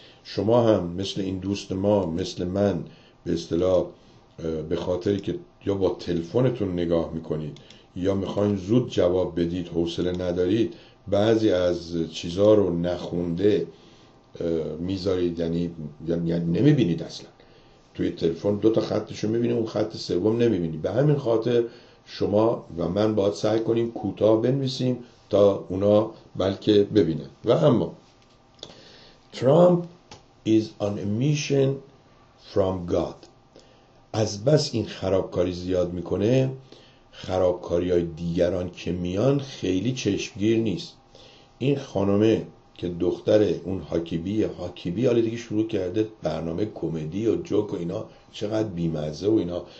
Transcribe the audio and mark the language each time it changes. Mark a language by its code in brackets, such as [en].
[fa] شما هم مثل این دوست ما، مثل من، به اصطلاح به خاطری که یا با تلفنتون نگاه میکنید یا میخواین زود جواب بدید، حوصله ندارید، بعضی از چیزها رو نخونده میذارید، یعنی نمیبینید اصلا. توی تلفن دوتا خطشو میبینید، اون خط سوم نمیبینید. به همین خاطر شما و من باید سعی کنیم کوتاه بنویسیم تا اونا بلکه ببینن. و اما [en] Trump is on a mission from God. [fa] از بس این خرابکاری زیاد میکنه، خرابکاری های دیگران که میان خیلی چشمگیر نیست. این خانمه که دختر اون حاکیبی، حاکیبی حالا دیگه شروع کرده برنامه کمدی و جوک و اینا، چقدر بیمزه و اینا.